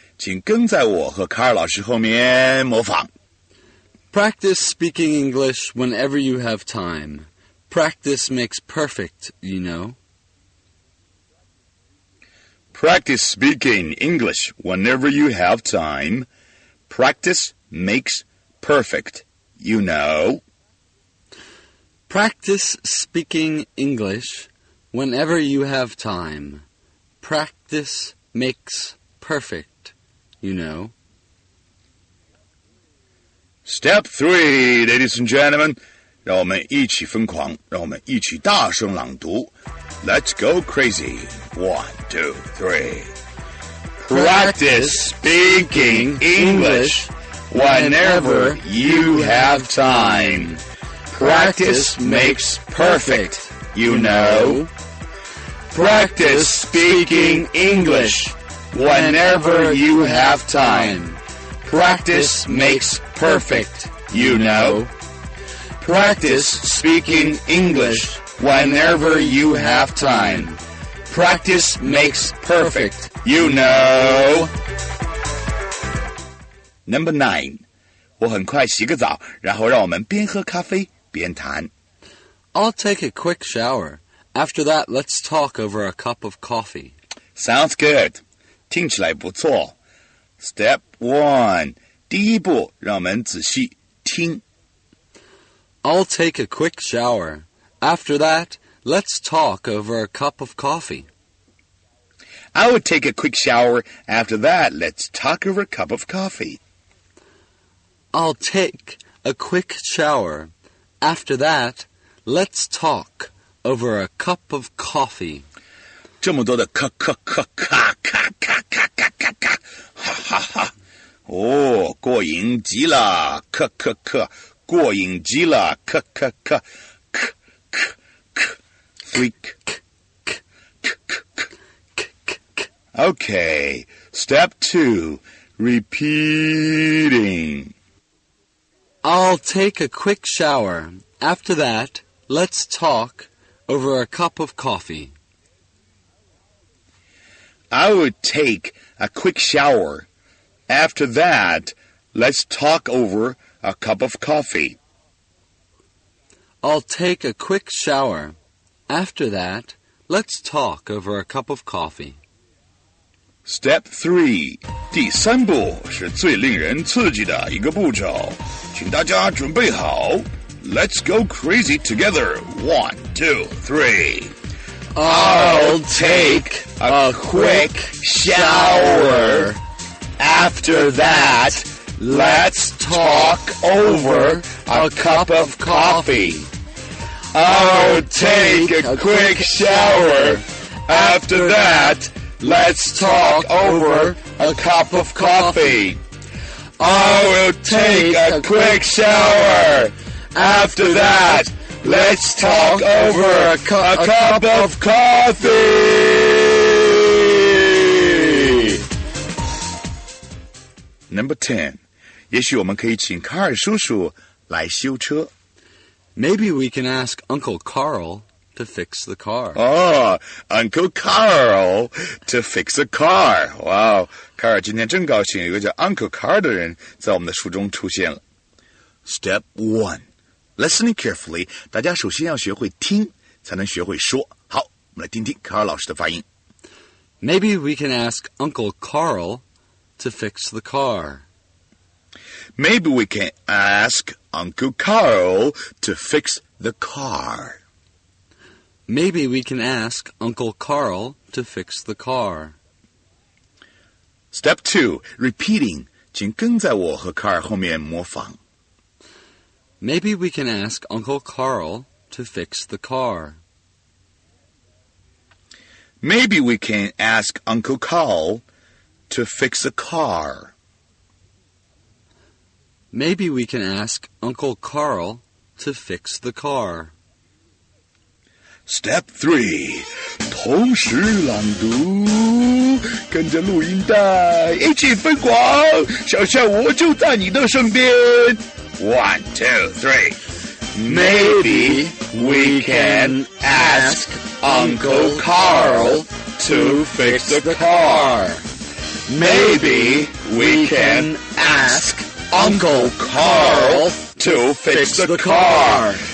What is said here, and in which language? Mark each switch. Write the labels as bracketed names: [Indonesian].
[Chinese] 请跟在我和卡尔老师后面模仿。 [English] Practice speaking English whenever you have time. Practice makes perfect, you know. Practice speaking English whenever you have time. Practice makes perfect, you know. Practice speaking English whenever you have time. Practice makes perfect, you know. Step 3, ladies and gentlemen. [Chinese] 让我们一起疯狂，让我们一起大声朗读。 [English] Let's go crazy. 1, 2, 3. Practice speaking English whenever you have time. Practice makes perfect, you know. Practice speaking English whenever you have time. Practice makes perfect, you know. Practice speaking English whenever you have time. Practice makes perfect, you know. Number 9. [Chinese] 我很快洗个澡，然后让我们边喝咖啡边谈。 [English] I'll take a quick shower. After that, let's talk over a cup of coffee. Sounds good. [Chinese] 听起来不错。 [English] Step 1. [Chinese] 第一步，让我们仔细听。 [English] I'll take a quick shower. After that, let's talk over a cup of coffee. I would take a quick shower. After that, let's talk over a cup of coffee. I'll take a quick shower. After that, let's talk over a cup of coffee. [Chinese] 这么多的咔咔咔咔咔咔咔咔咔咔，哈哈哈！哦，过瘾极了，咔咔咔。过瘾极了，咳咳咳，咳咳咳 ， [English] freak， [Chinese] 咳咳咳咳咳咳咳咳。 [English] Okay, step 2, repeating. I'll take a quick shower. After that, let's talk over a cup of coffee. I would take a quick shower. After that, let's talk over. A cup of coffee. I'll take a quick shower. After that, let's talk over a cup of coffee. Step 3. [Chinese] 第三步是最令人刺激的一个步骤。请大家准备好。 [English] Let's go crazy together. 1, 2, 3. I'll take a quick shower. After that... Let's talk over a cup of coffee. I'll take a quick shower. After that, let's talk over a cup of coffee. I will take a quick shower. After that, let's talk over a cup of coffee. Number 10. [Chinese] 也许我们可以请卡尔叔叔来修车。 [English] Maybe we can ask Uncle Carl to fix the car. Oh, Uncle Carl to fix a car. [Chinese] Wow, 卡尔今天真高兴，有个叫 Uncle Carl 的人在我们的书中出现了。 [English] Step 1. Listening carefully. [Chinese] 大家首先要学会听才能学会说。好，我们来听听卡尔老师的发音。 [English] Maybe we can ask Uncle Carl... To fix the car. Maybe we can ask Uncle Carl to fix the car. Maybe we can ask Uncle Carl to fix the car. Step 2, repeating. [Chinese] 请跟在我和卡尔后面模仿。 [English] Maybe we can ask Uncle Carl to fix the car. Maybe we can ask Uncle Carl. To fix a car. Maybe we can ask Uncle Carl to fix the car. Step 3. [Chinese] 同时朗读，跟着录音带一起疯狂，想象我就在你的身边。 [English] 1, 2, 3. Maybe we can ask Uncle Carl to fix the car. Maybe we can ask Uncle Carl to fix the car.